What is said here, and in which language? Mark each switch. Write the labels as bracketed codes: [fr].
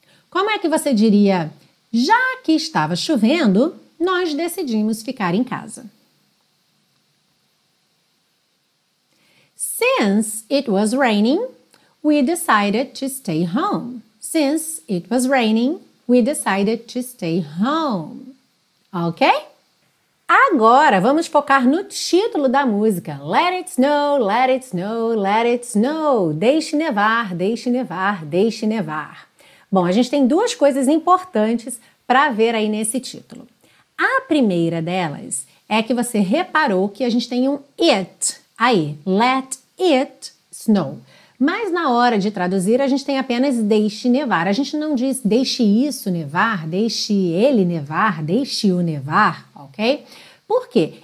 [pt] Como é que você diria, já que estava chovendo, nós decidimos ficar em casa? [en] Since it was raining, we decided to stay home. Since it was raining, we decided to stay home. Ok? [pt] Agora vamos focar no título da música. [en] Let it snow, let it snow, let it snow. [pt] Deixe nevar, deixe nevar, deixe nevar. Bom, a gente tem duas coisas importantes para ver aí nesse título. A primeira delas é que você reparou que a gente tem um it aí. [en] Let it snow. [pt] Mas na hora de traduzir, a gente tem apenas deixe nevar. A gente não diz deixe isso nevar, deixe ele nevar, deixe-o nevar, ok? Por quê?